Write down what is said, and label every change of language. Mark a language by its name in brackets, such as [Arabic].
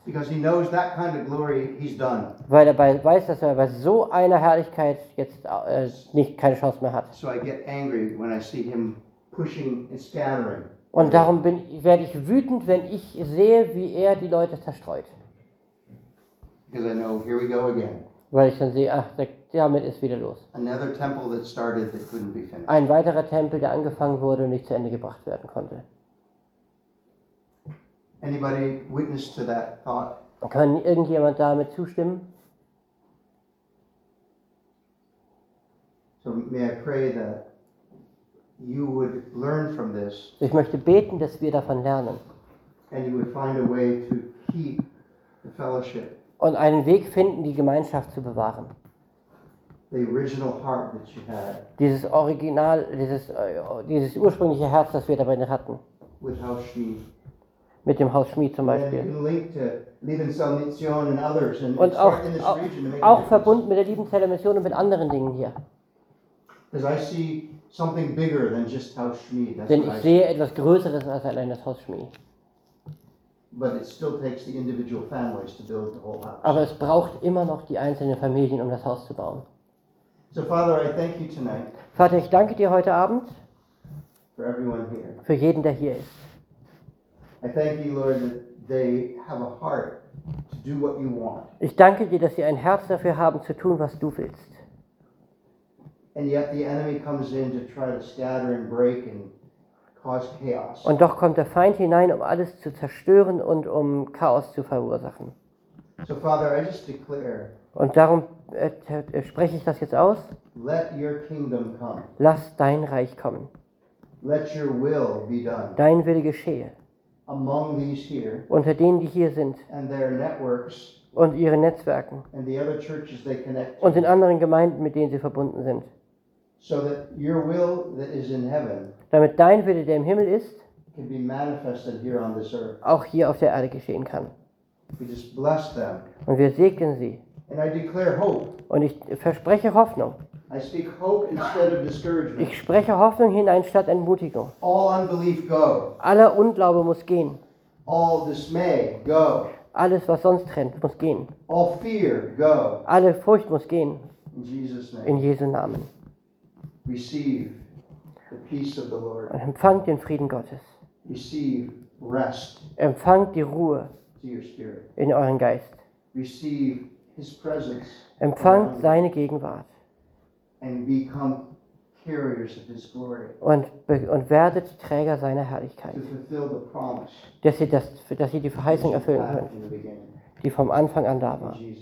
[English] Because he knows that kind of glory, he's done. [German] Weil er weiß, dass er bei so einer Herrlichkeit jetzt keine Chance mehr hat. [English] So I get angry when I see him pushing and scattering. [German] Und darum werde ich wütend, wenn ich sehe, wie er die Leute zerstreut. [English] Because I know, here we go again. [German] Weil ich dann sehe, ach, damit ist wieder los. [English] Another temple that started that couldn't be finished. [German] Ein weiterer Tempel, der angefangen wurde und nicht zu Ende gebracht werden konnte. [English] Anybody witness to that thought? [German] Kann irgendjemand damit zustimmen? [English] So may I pray that you would learn from this. [German] Ich möchte beten, dass wir davon lernen. [English] And you would find a way to keep the fellowship. [German] Und einen Weg finden, die Gemeinschaft zu bewahren. [English] The original heart that you had. [German] Dieses Original, dieses ursprüngliche Herz, das wir dabei hatten. [English] With House Schmied. [German] Mit dem Haus Schmied zum Beispiel. [English] And link to Liebenzell Mission and others, and [German] und auch, [English] in this region to make [German] auch verbunden mit der Liebenzeller Mission und mit anderen Dingen hier. Denn ich sehe etwas Größeres als allein das Haus Schmied. [English] But it still takes the individual families to build the whole house. [German] Aber es braucht immer noch die einzelnen Familien, um das Haus zu bauen. [English] So, Father, I thank you tonight. [German] Vater, ich danke dir heute Abend. [English] For everyone here. [German] Für jeden, der hier ist. [English] I thank you, Lord, that they have a heart to do what you want. [German] Ich danke dir, dass sie ein Herz dafür haben, zu tun, was du willst. [English] And yet the enemy comes in to try to scatter and break and cause chaos. [German] Und doch kommt der Feind hinein, um alles zu zerstören und um Chaos zu verursachen. [English] So, Father, I just declare. [German] Und darum spreche ich das jetzt aus. [English] Let your kingdom come. [German] Lass dein Reich kommen. [English] Let your will be done. [German] Dein Wille geschehe. [English] Among these here. [German] Unter denen, die hier sind. [English] And their networks. [German] Und ihre Netzwerken. [English] And the other churches they connect to. [German] Und in anderen Gemeinden, mit denen sie verbunden sind. [English] So that your will that is in heaven. [German] Damit dein Wille, der im Himmel ist, [English] can be manifested here on this earth. [German] Auch hier auf der Erde geschehen kann. [English] We just bless them. [German] Und wir segnen sie. [English] And I declare hope. [German] Und ich verspreche Hoffnung. [English] I speak hope instead of discouragement. [German] Ich spreche Hoffnung hinein statt Entmutigung. [English] All unbelief go. [German] Aller Unglaube muss gehen. [English] All dismay go. [German] Alles, was sonst trennt, muss gehen. [English] All fear go. [German] Alle Furcht muss gehen. [English] In Jesus' name. [German] In Jesu Namen. [English] Receive the peace of the Lord. [German] Und empfangt den Frieden Gottes. [English] Receive rest. [German] Empfangt die Ruhe [English] to your spirit. [German] In euren Geist. [English] Receive His presence. [German] Empfangt seine Gegenwart. [English] And become carriers of His glory. [German] Und werdet Träger seiner Herrlichkeit. [English] To fulfill the promise. [German] Dass ihr die Verheißung erfüllen könnt, die vom Anfang an da war.